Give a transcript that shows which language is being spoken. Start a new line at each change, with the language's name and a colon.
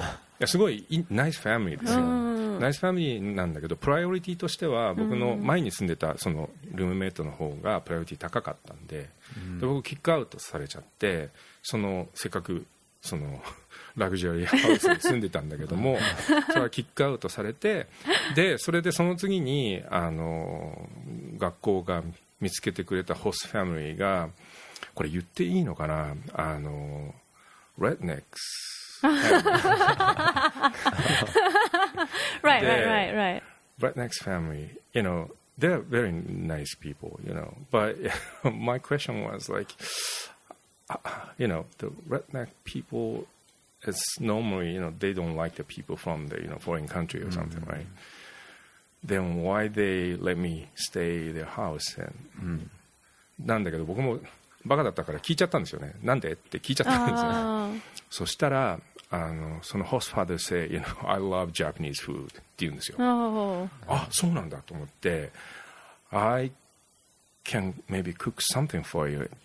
Japanese: いやすごいナイスファミリーですよ、ナイスファミリーなんだけど、プライオリティとしては僕の前に住んでたそのルームメイトの方がプライオリティ高かったん で、で僕キックアウトされちゃって、そのせっかくそのラグジュアリーハウスに住んでたんだけどもそれはキックアウトされて、でそれでその次にあの学校が見つけてくれたホストファミリーが、これ言っていいのかな、あのレッドネックス、
English: right, right, right, right. レッドネックスファミリー、 you know, they're very nice people, you know, but my question was like, you know, the redneck people,It's normally, you know, they don't like the people from the, you know, foreign country or something, right? Then why they let me stay their house?
Japanese: And、なんだけど僕もバカだったから聞いちゃったんですよね。なんでって聞いちゃったんですよ。そしたら、あの、そのホストファーザー
English: say, you know, I love Japanese food
Japanese: って言うんですよ。あ、そうなんだと思って、
English: I can maybe cook something for you.